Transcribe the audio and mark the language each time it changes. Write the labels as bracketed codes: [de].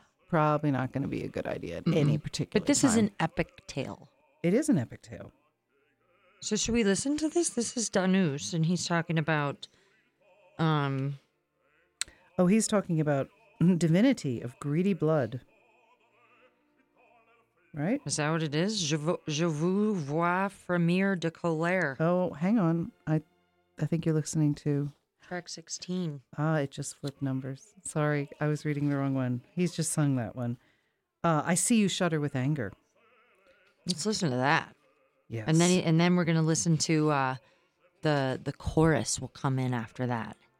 [en] Probably not going to be a good idea at any particular time. But this time. Is an epic tale. It is an epic tale. So should we listen to this? This is Danus, and he's talking about... He's talking about divinity of greedy blood. Right? Is that what it is? [fr] Je vous vois frémir de colère. [en] Oh, hang on. I think you're listening to... Track 16. Ah, it just flipped numbers. Sorry, I was reading the wrong one. He's just sung that one. I see you shudder with anger. Let's listen to that. Yes. And then we're going to listen to the chorus will come in after that.